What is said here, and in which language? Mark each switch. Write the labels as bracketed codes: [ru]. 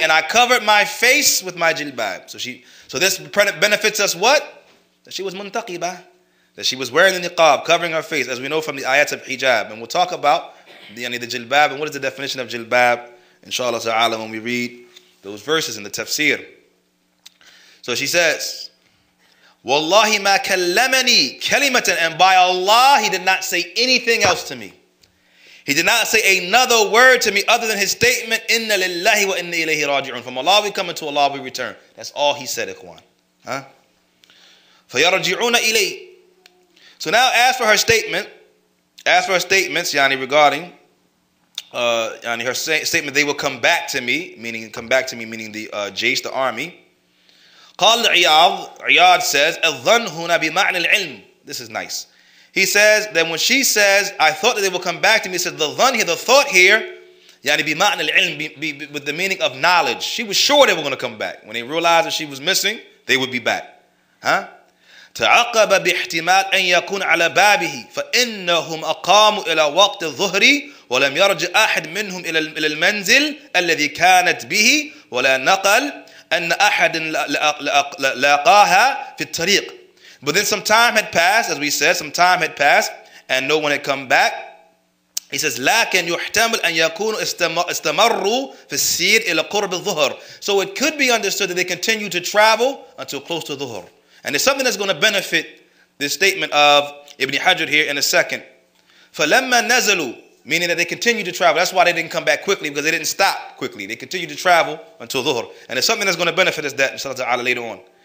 [en] And I covered my face with my jilbab. So this benefits us what? That she was muntaqiba. That she was wearing the niqab, covering her face, as we know from the ayat of hijab. And we'll talk about the jilbab, and what is the definition of jilbab, inshallah ta'ala, when we read those verses in the tafsir. So she says, [ar] وَاللَّهِ مَا كَلَّمَنِي كَلِمَةً. [en] And by Allah, he did not say anything else to me. He did not say another word to me other than his statement, [ar] إِنَّ لِلَّهِ وَإِنَّ إِلَيْهِ رَاجِعُونَ. [en] From Allah we come, and to Allah we return. That's all he said, Ikhwan. [ar] Huh? فَيَرَجِعُونَ إِلَيْهِ. [en] So now as for her statements, yani, regarding yani, her statement, they will come back to me, meaning the Jaysh, the army. [ar] قال عياض, عياض says, الظن هنا بمعنى العلم. [en] This is nice. He says, then when she says, I thought that they would come back to me, he says, the dhan here, the thought here, yani [ar] bima'na al-ilm, [en] with the meaning of knowledge. She was sure they were going to come back. When they realized that she was missing, they would be back. [ar] Huh? تَعَقَبَ بِإِحْتِمَالِ أَن يَكُونَ عَلَى بَابِهِ فَإِنَّهُمْ أَقَامُوا إِلَى وَقْتِ الظُّهْرِ وَلَمْ يَرْجِ أَحَدْ مِنْهُمْ إِلَى الْمَنْزِلِ الَّذِي كَانَتْ بِهِ وَلَا نَقَلْ أَنَّ أَحَدٍ لَقَاهَا فِي الطَّرِيقِ. [en] But then some time had passed, as we said, some time had passed, and no one had come back. He says, [ar] لَكَنْ يُحْتَمُلْ أَنْ يَكُونُ إِسْتَمَرُّوا فِي السِّيرِ إِلَى قُرْبِ الظُّهُرِ. [en] So it could be understood that they continue to travel until close to Dhuhr. And it's something that's going to benefit this statement of Ibn Hajr here in a second. [ar] فَلَمَّا نَزَلُوا, [en] meaning that they continue to travel. That's why they didn't come back quickly, because they didn't stop quickly. They continue to travel until Dhuhr. And it's something that's going to benefit us that, inshallah ta'ala, later on.